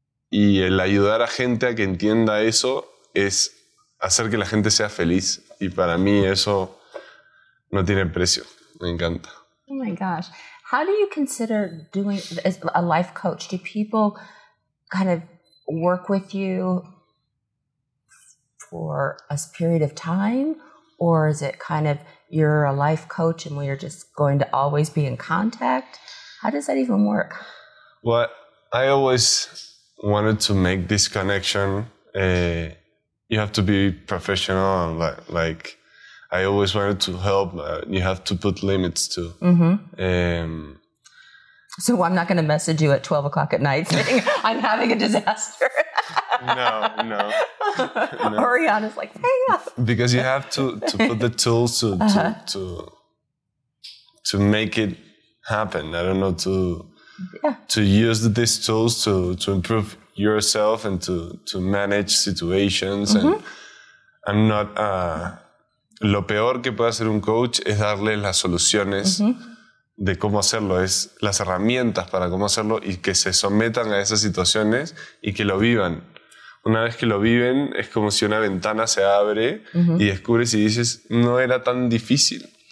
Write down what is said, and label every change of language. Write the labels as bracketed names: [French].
[Spanish] Y el ayudar a gente a que entienda eso es hacer que la gente sea feliz. Y para mí eso no tiene precio. Me encanta. [English] Oh my gosh. How do you consider doing as a life coach? Do people kind of work with you for a period of time, or is it kind of you're a life coach and we are just going to always be in contact? How does that even work? Well, I always wanted to make this connection. You have to be professional, and like I always wanted to help. You have to put limits too. Mm-hmm. So I'm not going to message you at 12 o'clock at night saying I'm having a disaster. No. Ariana's like, hang up. Because you have to put the tools to make it happen. I don't know, to use these tools to improve yourself and to manage situations. Mm-hmm. And I'm not... [Spanish] lo peor que puede hacer un coach es darle las soluciones de cómo hacerlo, es las herramientas para cómo hacerlo y que se sometan a esas situaciones y que lo vivan. Una vez que lo viven, es como si una ventana se abre y descubres y dices, no era tan difícil.